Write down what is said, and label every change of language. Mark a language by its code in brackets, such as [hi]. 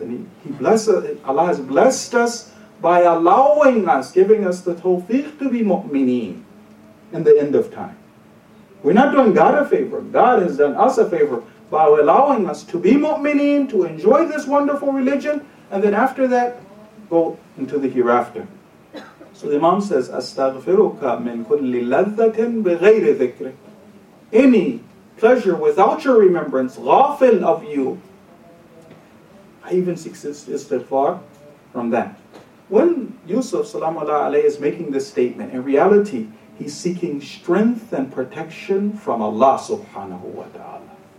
[en] And He bless us. Allah has blessed us by allowing us, giving us the tawfiq to be mu'mineen in the end of time. We're not doing God a favor. God has done us a favor by allowing us to be mu'mineen, to enjoy this wonderful religion, and then after that, go into the hereafter. So the Imam says, [ar] أَسْتَغْفِرُكَ مِنْ كُلِّ لَذَّةٍ بِغَيْرِ ذِكْرِ. [en] Any pleasure without your remembrance, غَافِلْ of you, I even seek istighfar from that. When Yusuf salamu alayhi is making this statement, in reality, he's seeking strength and protection from Allah subhanahu wa ta'ala.